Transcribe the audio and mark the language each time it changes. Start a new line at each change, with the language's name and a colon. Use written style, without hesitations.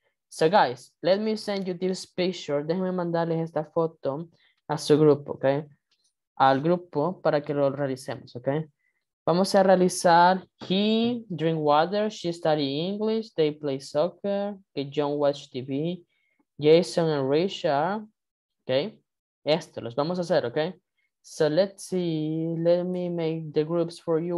English: So, guys, let me send you this picture.
Spanish: Déjenme mandarles esta foto a su grupo, ¿ok? Al grupo para que lo realicemos, ¿ok? Vamos a realizar,
English: he drink water, she study English, they play soccer, okay, John watch TV, Jason and Richard, okay?
Spanish: Esto, los vamos a hacer,
English: okay? So let's see, let me make the groups for you.